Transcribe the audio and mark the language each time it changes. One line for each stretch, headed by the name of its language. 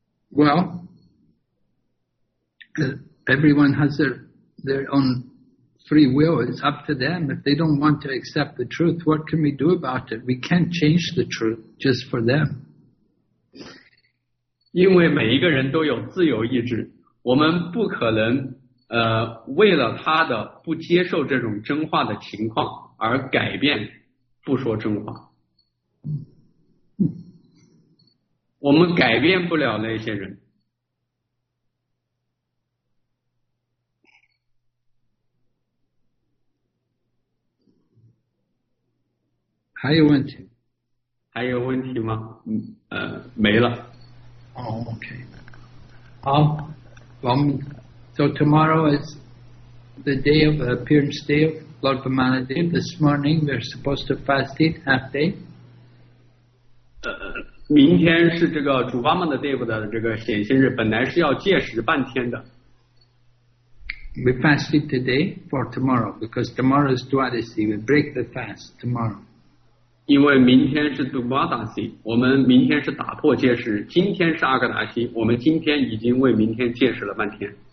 English: Well.Everyone has their their own free will. It's up to them. If they don't want to accept the truth, what can we do about it? We can't change the truth just for them.
Chinese: 因为每一个人都有自由意志，我们不可能为了他的不接受这种真话的情况而改变不说真话。我们改变不了那些人。还有问题？还有问题吗？没了。
English: Oh, okay. So tomorrow is the day of the appearance day of Lord Brahmanadev. This morning we're supposed to fast eat half day.
Chinese: 明天是这个主巴曼的 Dev 的这个显现日，本来是要戒食半天的。
English: We fast eat today for tomorrow because tomorrow is Dwadasi. We break the fast tomorrow.
Chinese: 因为明天是 Dwadasi， 我们明天是打破戒食，今天是阿格达西，我们今天已经为明天戒食了半天。